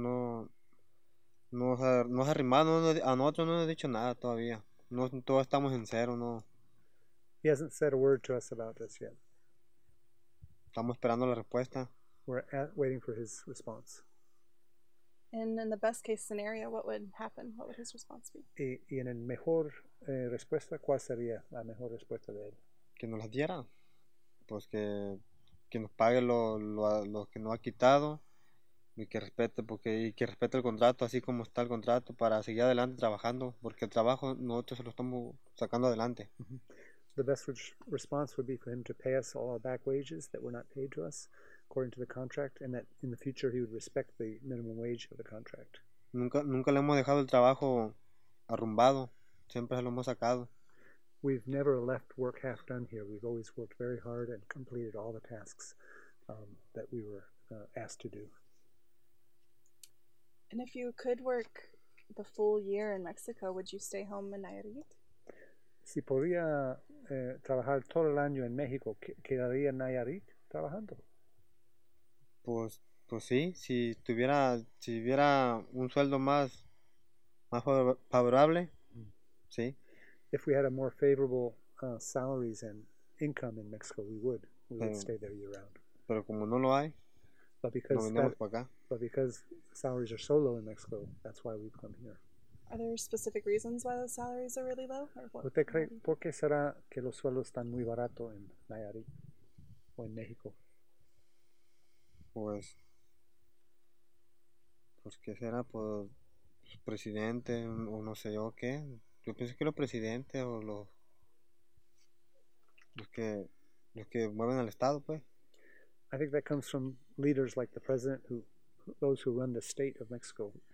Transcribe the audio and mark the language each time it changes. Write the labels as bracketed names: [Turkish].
[Spanish] Pues no ha arrimado a nosotros, no nos ha dicho nada todavía. No, todos estamos en cero, no. [English] He hasn't said a word to us about this yet. [Spanish] Estamos esperando la respuesta. [English] We're waiting for his response. And in the best case scenario, what would happen? What would his response be? [Spanish] Y en el mejor respuesta, ¿cuál sería la mejor respuesta de él? Que nos la diera. Pues que nos pague lo que nos ha quitado y que respete el contrato, así como está el contrato, para seguir adelante trabajando, porque el trabajo nosotros se lo estamos sacando adelante. Mm-hmm. [English] The best response would be for him to pay us all our back wages that were not paid to us, according to the contract, and that in the future he would respect the minimum wage of the contract. [Spanish] Nunca le hemos dejado el trabajo arrumbado, siempre se lo hemos sacado. [English] We've never left work half done here. We've always worked very hard and completed all the tasks that we were asked to do. And if you could work the full year in Mexico, would you stay home in Nayarit? [Spanish] Si podría trabajar todo el año en México, quedaría en Nayarit trabajando. Pues sí, si tuviera un sueldo más favorable, mm-hmm. sí. [English] If we had a more favorable salaries and income in Mexico, we would stay there year round. [Spanish] Pero como no lo hay, [English] because salaries are so low in Mexico, that's why we've come here. Are there specific reasons why those salaries are really low? [Spanish] ¿Usted cree por qué será que los sueldos están muy baratos en Nayarit o en México? Pues qué será, pues presidente o no sé yo qué. Yo pienso que los presidentes o los que mueven al estado, pues. [English] I think that comes from leaders like the president, who those who run the state of Mexico.